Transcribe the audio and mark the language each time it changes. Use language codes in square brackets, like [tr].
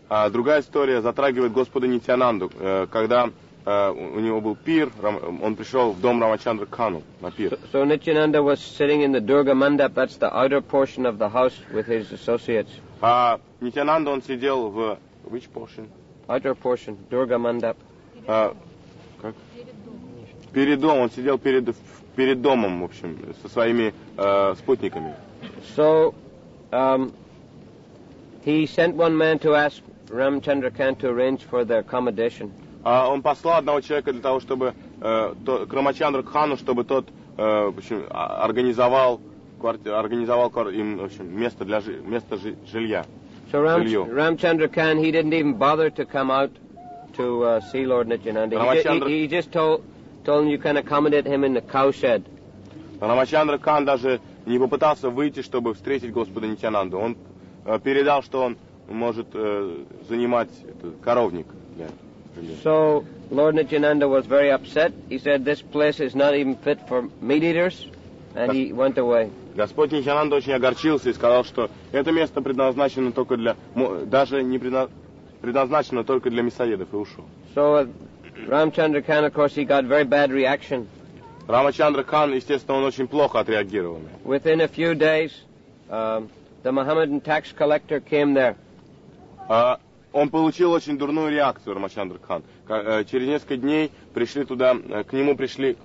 [ru] Другая история затрагивает Господа Нитянанду, когда у него был пир, он пришел в дом Рамачандра Кану на пир. [en] So Nityananda was sitting in the Durga Mandap, that's the outer portion of the house with his associates. [ru] Нитянанда он сидел в [en] which portion? Outer portion, Durga Mandap. [ru] Как? Перед домом. Он сидел перед домом, в общем, со своими спутниками. [en] He sent one man to ask Ramchandra Khan to arrange for their accommodation. [ru] Он послал одного человека для того, чтобы к Рамачандра Кхану, чтобы тот, в общем, организовал им место жилья. [en] So Ramchandra Khan, he didn't even bother to come out to see Lord Nityananda. He just told him you can accommodate him in the cowshed. [ru] Рамачандра Кан даже не попытался выйти, чтобы встретить Господа Нитянанду. Он передал, что он может занимать коровник. [en] So Lord Nityananda was very upset. He said this place is not even fit for meat eaters, and he went away. [ru] Господь Нитянанда очень огорчился и сказал, что это место предназначено только для предназначено только для мясоедов, и ушел. [en] So Ramchandra Khan, of course, he got very bad reaction. [ru] Рамачандра Кан, естественно, он очень плохо отреагировал. [en] Within a few days, the Mohammedan tax collector came there. [ru] Он получил очень дурную реакцию, Рамачандра Кан. Через несколько дней пришли туда, к нему пришли...